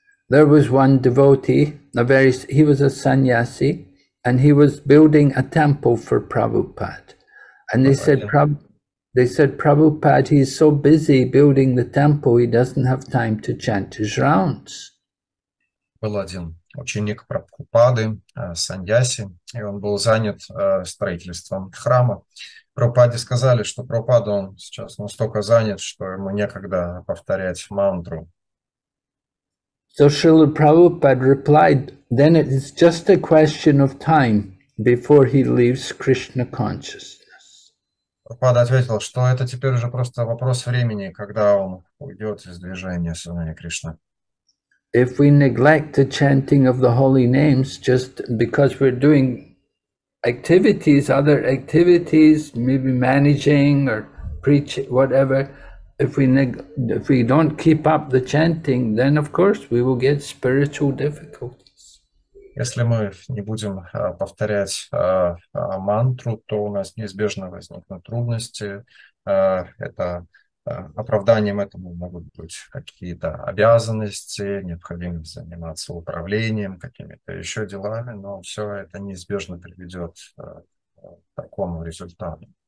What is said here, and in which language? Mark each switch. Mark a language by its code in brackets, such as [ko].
[en] There was one devotee, he was a sannyasi, and he was building a temple for Prabhupada. And they said, Prabhupada, he's so busy building the temple, he doesn't have time to chant his rounds. [ru] Был один ученик Прабхупады, Саньяси, и он был занят строительством храма. Прабхупаде сказали, что Прабхупада, он сейчас настолько занят, что ему некогда повторять мантру. [en] So Srila Prabhupada replied, then it is just a question of time before he leaves Krishna consciousness. [ru] Прабхупада ответил, что это теперь уже просто вопрос времени, когда он уйдет из движения сознания Кришны. [en] If we neglect the chanting of the holy names just because we're doing activities, other activities, maybe managing or preaching, whatever, if we don't keep up the chanting, then of course we will get spiritual difficulties. [ru] Если мы не будем повторять мантру, то у нас неизбежно возникнут трудности. Оправданием этому могут быть какие-то обязанности, необходимость заниматься управлением, какими-то еще делами, но все это неизбежно приведет к такому результату.